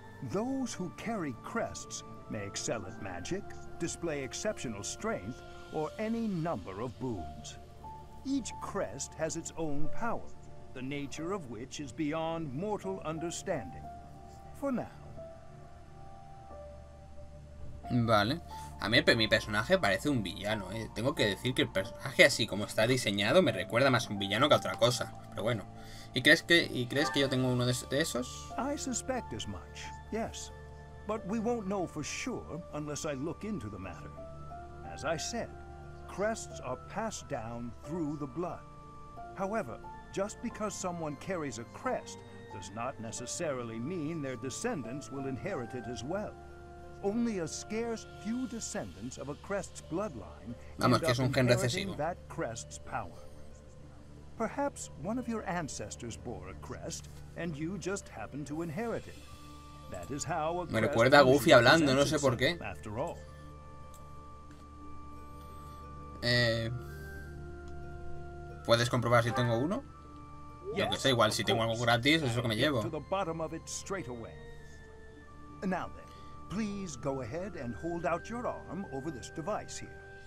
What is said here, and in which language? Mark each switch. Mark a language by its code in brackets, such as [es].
[en] Those who carry crests may excel at magic, display exceptional strength, or any number of boons. Each crest has its own power, the nature of which is beyond mortal understanding. For now. [es] Vale. A mí mi personaje parece un villano, ¿eh? Tengo que decir que el personaje así como está diseñado me recuerda más a un villano que a otra cosa. Pero bueno. ¿Y crees que yo tengo uno de esos? [en] I suspect as much, yes. But we won't know for sure unless I look into the matter. As I said, crests are passed down through the blood. However, just because someone carries a crest does not necessarily mean their descendants will inherit it as well. Only a scarce few descendants of a crest's bloodline inherit that crest's power. Perhaps one of your ancestors bore a crest and you just happen to inherit it. That is how a [es] crest. Me recuerda a Goofy hablando, no sé por qué. [en] After all. [es] ¿Puedes comprobar si tengo uno? Yo que sé, igual si tengo algo gratis, eso que me llevo. [en] To the bottom of it straight away. Now then, please go ahead and hold out your arm over this device here.